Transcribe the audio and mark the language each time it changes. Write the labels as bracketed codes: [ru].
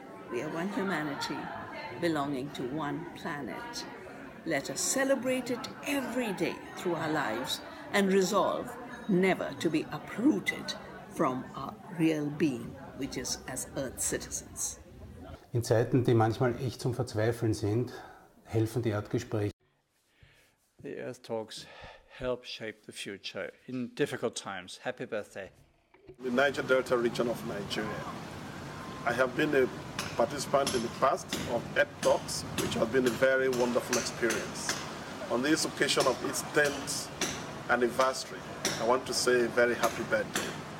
[en] We are one humanity belonging to one planet. Let us celebrate it every day through our lives and resolve never to be uprooted from our real being, which is as Earth citizens. [de] In Zeiten, die manchmal echt zum Verzweifeln sind, helfen die Erdgespräche. [en] The Earth Talks help shape the future in difficult times. Happy birthday. The Niger Delta region of Nigeria. I have been a participant in the past of EARTH Talks, which has been a very wonderful experience. On this occasion of its 10th anniversary, I want to say a very happy birthday.